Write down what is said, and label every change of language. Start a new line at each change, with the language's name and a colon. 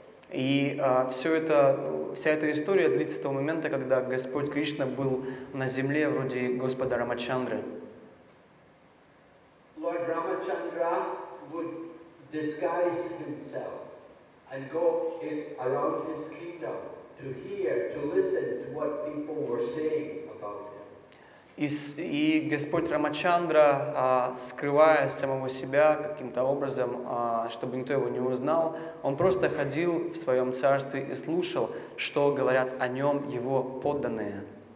Russian: И все это, вся эта история длится с того момента, когда Господь Кришна был на земле вроде Господа Рамачандры.
English: Lord Ramachandra would disguise himself and go around his kingdom to hear, to listen to what people were saying about him.
Russian: И Господь Рамачандра, скрывая самого себя каким-то образом, чтобы никто его не узнал, он просто ходил в своем царстве и слушал, что говорят о нем его подданные.